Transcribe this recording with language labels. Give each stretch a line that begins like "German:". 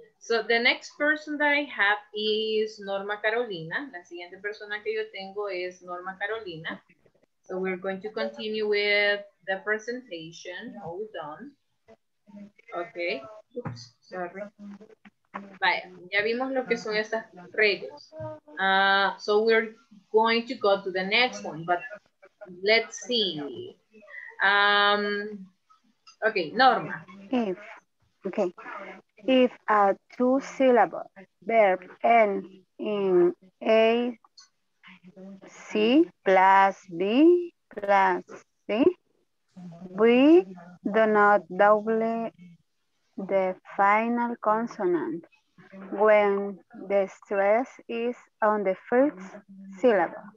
English: So the next person that I have is Norma Carolina.
Spanish: La siguiente persona que yo tengo es Norma Carolina.
English: So we're going to continue with the presentation. Hold on. Okay. Oops. Sorry.
Spanish: Vaya, ya vimos lo que son estas reglas.
English: So we're going to go to the next one, but let's see. Okay, Norma. If, okay. If a two syllable verb end in A, C plus B plus C, we do not double the final consonant when the stress is on the first syllable.